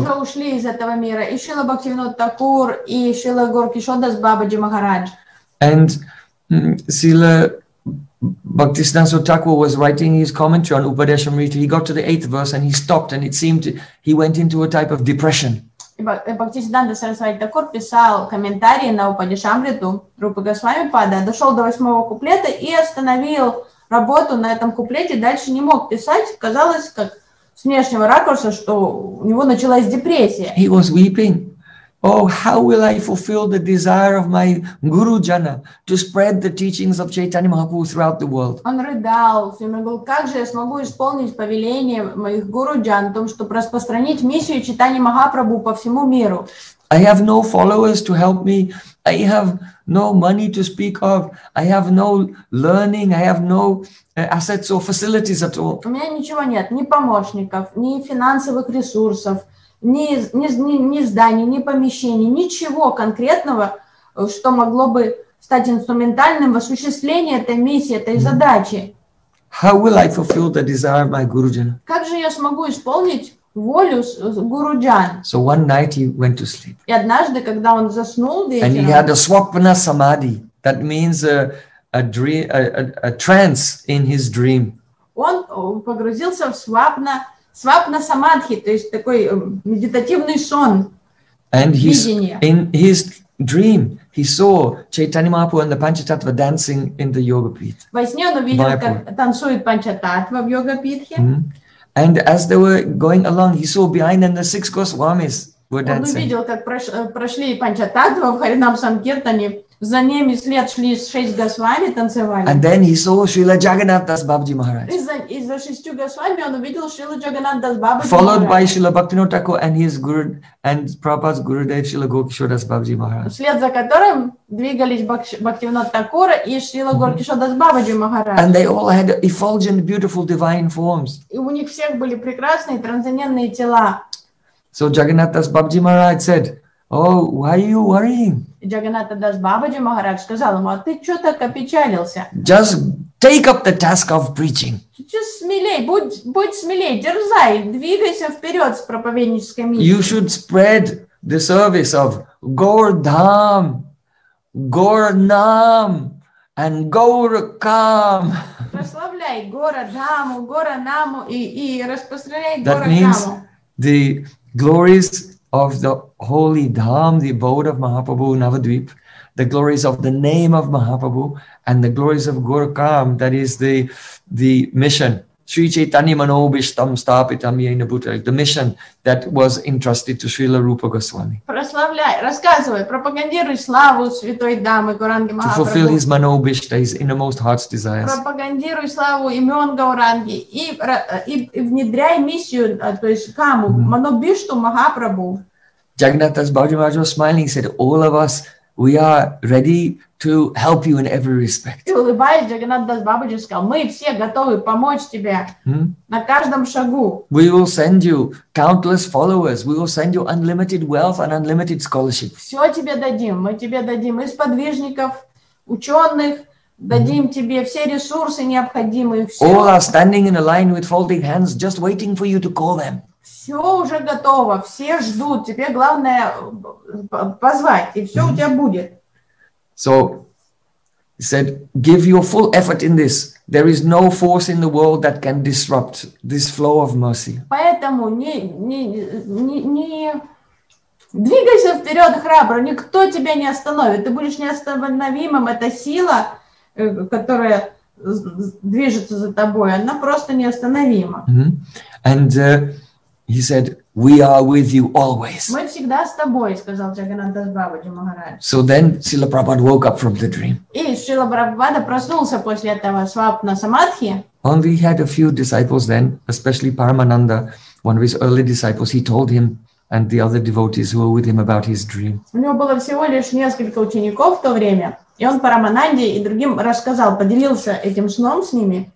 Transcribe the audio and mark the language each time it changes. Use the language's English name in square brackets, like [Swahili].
[Russian] И уже ушли из этого мира. И Srila Bhaktisiddhanta Thakur, и Srila Gorkishodas Babaji Maharaj. [English] And Srila Bhaktisiddhanta Thakur was writing his commentary on Upadeshamrita. He got to the 8th verse and he stopped, and it seemed he went into a type of depression. [Russian] Bhaktisiddhanta Saraswati Thakur писал комментарии на Упадешамриту Рупы Госвами Пада, дошел до 8-го куплета и остановил работу на этом куплете, дальше не мог писать, казалось, как с внешнего ракурса, что у него началась депрессия. [English] He was weeping. Oh, how will I fulfill the desire of my Guru Jana to spread the teachings of Chaitanya Mahaprabhu throughout the world? [Russian] Он рыдал, и он говорил, как же я смогу исполнить повеление моих Гуру Джан о том, чтобы распространить миссию Чайтаньи Махапрабху по всему миру. [English] I have no followers to help me. I have no money to speak of. I have no learning. I have no assets or facilities at all. [Russian] У меня ничего нет, ни помощников, ни финансовых ресурсов. Ни зданий, ни помещений, ничего конкретного, что могло бы стать инструментальным в осуществлении этой миссии, этой задачи. [English] How will I fulfill the desire of my Guru Jana? [Russian] Как же я смогу исполнить волю Guru Jana? [English] So one night he went to sleep. [Russian] И однажды, когда он заснул вечером, [English] and he had a swapna samadhi, that means a trance in his dream. [Russian] Он погрузился в свапна. Свапна самадхи, то есть такой медитативный сон. [English] And in his dream, he saw Chaitanya Mahaprabhu and the Panchatattva dancing in the yoga pit. [Russian] Во сне он увидел, как танцует Панчататва в йога питхе. [English] And as they were going along, he saw behind them the six Госвамис were dancing. [Russian] Он увидел, как прошли Панчататва в Харинам Санкиртане. За ними след шли шесть госвами, танцевали. [English] And then he saw Srila Jagannathas Babaji Maharaj. [Russian] Из-за шестью госвами он увидел Srila Jagannathas Babaji Maharaj. [English] Followed by Srila Bhaktivinoda Thakur and his Guru, and Prabhupada's Gurudev Srila Gorkishodas Babaji Maharaj. [Russian] Вслед за которым двигались Бхактивинода Такура и Srila Gorkishodas Babaji Maharaj. [English] And they all had effulgent, beautiful divine forms. [Russian] И у них всех были прекрасные, трансцендентные тела. [English] So Jagannathas Babaji Maharaj said, oh, why are you worrying? [Russian] Jagannatha Das Babaji Maharaj сказал ему, а ты что так опечалился? [English] Just take up the task of preaching. Just [Russian] смелей, будь смелей, дерзай, двигайся вперед с проповеднической миссией. [English] You should spread the service of Gaurdham, Gaurnam, and Gaurakam. [Russian] Прославляй Гаурдхаму, Гаурнаму и распространяй Гаурдхаму. [English] That means the glories of the holy dham, the abode of Mahaprabhu Navadvip, the glories of the name of Mahaprabhu, and the glories of Gurukam, that is the mission. [Sanskrit] Sri Chaitanya Manobishtam Stapitam Yena Bhuta, [English] the mission that was entrusted to Srila Rupa Goswami. [Russian] Прославляй, рассказывай, пропагандируй славу Святой Дамы Гуранги Махапрабху. [English] To fulfill his Manobishta, his innermost heart's desires. [Russian] Пропагандируй славу имен Гауранги и внедряй миссию, то есть каму, Манобишту Махапрабху. [English] Jagannatha's Babaji Maharaj was smiling, he said, all of us we are ready to help you in every respect. [Russian] И улыбаясь, Джаганнатха Бабаджи сказал, мы все готовы помочь тебе на каждом шагу. [English] We will send you countless followers. We will send you unlimited wealth and unlimited scholarship. [Russian] Все тебе дадим. Мы тебе дадим и сподвижников, ученых, дадим тебе все ресурсы необходимые. Все. [English] All are standing in a line with folding hands, just waiting for you to call them. [Russian] Все уже готово, все ждут. Тебе главное позвать, и все у тебя будет. [English] So, he said, give your full effort in this. There is no force in the world that can disrupt this flow of mercy. [Russian] Поэтому не двигайся вперед храбро, никто тебя не остановит. Ты будешь неостановимым. Эта сила, которая движется за тобой, она просто неостановима. Mm-hmm. [English] And he said, we are with you always. [Russian] Мы всегда с тобой, сказал Джагганнатха Бабаджи Махарадж. [English] So then Srila Prabhupada woke up from the dream. [Russian] И Srila Prabhupada проснулся после этого свапна самадхи. [English] Only he had a few disciples then, especially Paramananda, one of his early disciples, he told him and the other devotees who were with him about his dream. [Russian] У него было всего лишь несколько учеников в то время, и он Парамананде и другим рассказал, поделился этим сном с ними.